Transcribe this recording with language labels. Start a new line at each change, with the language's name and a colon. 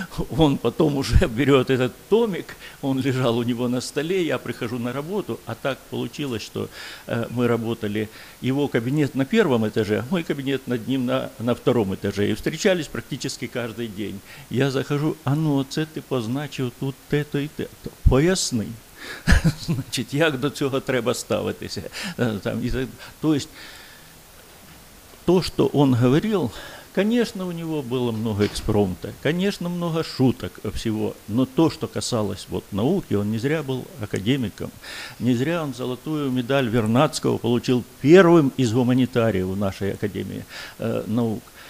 Russian: Он потом уже берет этот томик, он лежал у него на столе, я прихожу на работу, а так получилось, что мы работали, его кабинет на первом этаже, мой кабинет над ним на втором этаже, и встречались практически каждый день. Я захожу, а ну,
Ukrainian: це ты позначив тут
Russian: это и это,
Ukrainian: поясни. Значит, як до цього треба ставитися.
Russian: Там, и, то есть... То, что он говорил, конечно, у него было много экспромта, конечно, много шуток всего, но то, что касалось вот науки, он не зря был академиком, не зря он золотую медаль Вернадского получил первым из гуманитариев в нашей Академии наук.